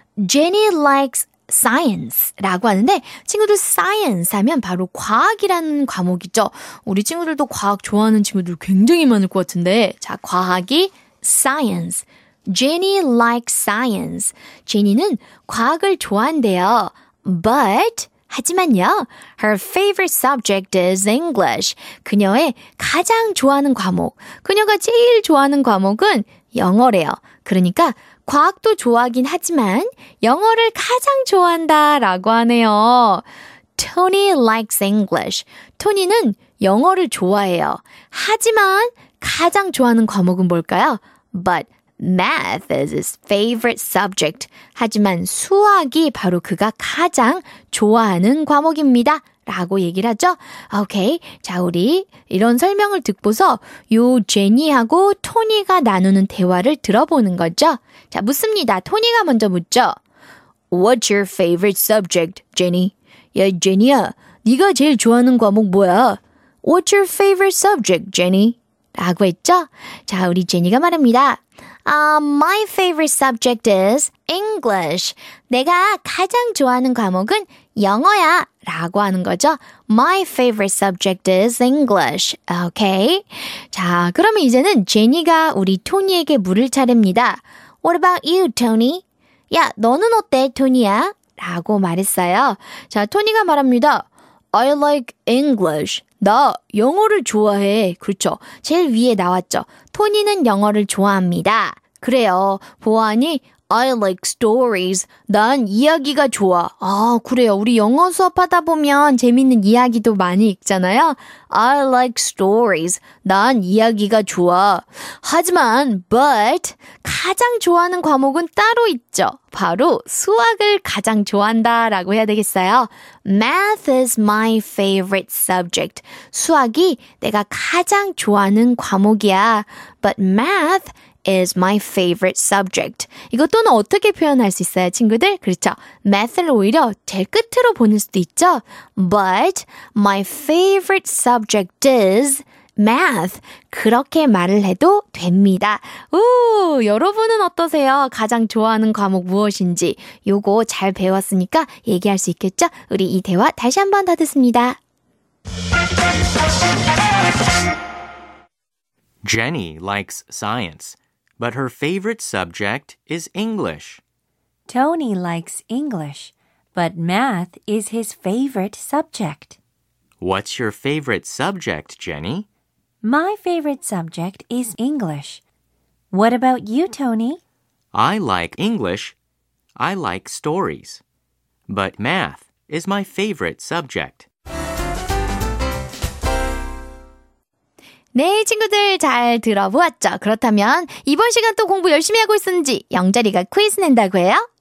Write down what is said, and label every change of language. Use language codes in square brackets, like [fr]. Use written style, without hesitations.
[en] Jenny likes science [ko] 라고 하는데 친구들 science 하면 바로 과학이라는 과목이죠. 우리 친구들도 과학 좋아하는 친구들 굉장히 많을 것 같은데 자, 과학이 science. [en] Jenny likes science. [ko] Jenny는 과학을 좋아한대요. [en] But [ko] 하지만요, [en] her favorite subject is English. [ko] 그녀의 가장 좋아하는 과목, 그녀가 제일 좋아하는 과목은 영어래요. 그러니까 과학도 좋아하긴 하지만 영어를 가장 좋아한다라고 하네요. [en] Tony likes English. [ko] 토니는 영어를 좋아해요. 하지만 가장 좋아하는 과목은 뭘까요? [en] But Math is his favorite subject. [ko] 하지만 수학이 바로 그가 가장 좋아하는 과목입니다. 라고 얘기를 하죠. 오케이. 자, 우리 이런 설명을 듣고서 요 제니하고 토니가 나누는 대화를 들어보는 거죠. 자, 묻습니다. 토니가 먼저 묻죠. [en] What's your favorite subject, Jenny? [ko] 야, 제니야, 네가 제일 좋아하는 과목 뭐야? [en] What's your favorite subject, Jenny? [ko] 라고 했죠. 자, 우리 제니가 말합니다. [en] My favorite subject is English. [ko] 내가 가장 좋아하는 과목은 영어야 라고 하는 거죠. [en] My favorite subject is English. Okay. [ko] 자, 그러면 이제는 제니가 우리 토니에게 물을 차립니다. [en] What about you, Tony? [ko] 야, 너는 어때, 토니야? 라고 말했어요. 자, 토니가 말합니다. [en] I like English. [ko] 나 영어를 좋아해. 그렇죠. 제일 위에 나왔죠. 토니는 영어를 좋아합니다. 그래요. [en] 보아하니 I like stories. [ko] 난 이야기가 좋아. 아, 그래요. 우리 영어 수업하다 보면 재밌는 이야기도 많이 읽잖아요. [en] I like stories. [ko] 난 이야기가 좋아. 하지만, but 가장 좋아하는 과목은 따로 있죠. 바로 수학을 가장 좋아한다 라고 해야 되겠어요. [en] Math is my favorite subject. [ko] 수학이 내가 가장 좋아하는 과목이야. [en] But math is my favorite subject. [ko] 이거 또는 어떻게 표현할 수 있어요, 친구들? 그렇죠. Math를 오히려 제일 끝으로 보낼 수도 있죠. [en] But my favorite subject is math. [ko] 그렇게 말을 해도 됩니다. 오, 여러분은 어떠세요? 가장 좋아하는 과목 무엇인지. 요거 잘 배웠으니까 얘기할 수 있겠죠? 우리 이 대화 다시 한번 더 듣습니다. [en] Jenny likes science. But her favorite subject is English. Tony likes English, but math is his favorite subject. What's your favorite subject, Jenny? My favorite subject is English. What about you, Tony? I like English. I like stories. But math is my favorite subject. [ko] 네, 친구들 잘 들어보았죠? 그렇다면 이번 시간 또 공부 열심히 하고 있었는지 영자리가 퀴즈 낸다고 해요?